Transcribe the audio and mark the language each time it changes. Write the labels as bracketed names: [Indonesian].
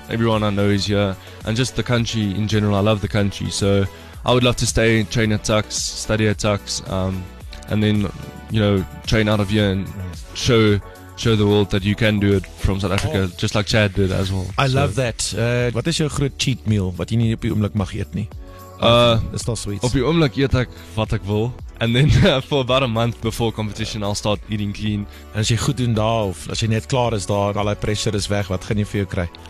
[English] Everyone I know is here. And just the country in general, I love the country. So I would love to stay and train at Tux, study at Tux, and then, you know, train out of here and show the world that you can do it from South Africa, just like Chad did as well. Love that. What is your [Afrikaans] groot cheat meal wat jy nie op die oomblik mag eet nie? [English] It's not sweet. [Afrikaans] Op die oomblik eet ek wat ek wil. [English] And then for about a month before competition, I'll start eating clean. [Afrikaans] En as jy goed doen daar, of as jy net klaar is daar, al die pressure is weg, wat gaan jy vir jou kry?